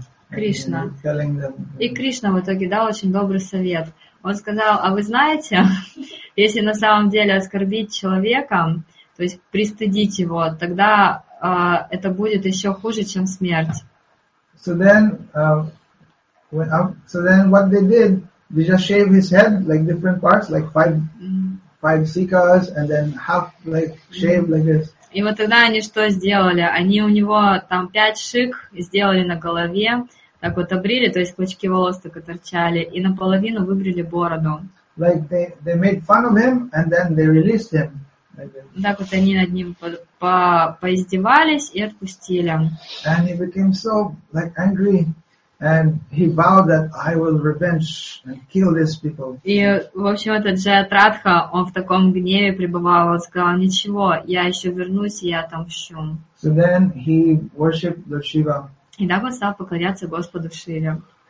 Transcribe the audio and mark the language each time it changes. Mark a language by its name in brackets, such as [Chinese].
[Russian] Кришна. И Кришна в итоге дал очень добрый совет. Он сказал, а вы знаете, если на самом деле оскорбить человека, то есть пристыдить его, тогда это будет еще хуже, чем смерть. [English] So then what they did, they just shaved his head, different parts, five sikas, and then half shaved this. [Russian] И вот тогда они что сделали? Они у него там 5 шик сделали на голове, так вот обрили, то есть клочки волос так торчали, и наполовину выбрили бороду. [English] They made fun of him, and then they released him. [Russian] Так вот они над ним поиздевались и отпустили. [English] And he became so angry. And he vowed that I will revenge and kill these people. [Russian] И в общем этот Джаядратха, он в таком гневе пребывал, он сказал: ничего, я еще вернусь, я отомщу. [English] So then he worshipped Lord Shiva. [Russian] И так он стал поклоняться Господу Шиве.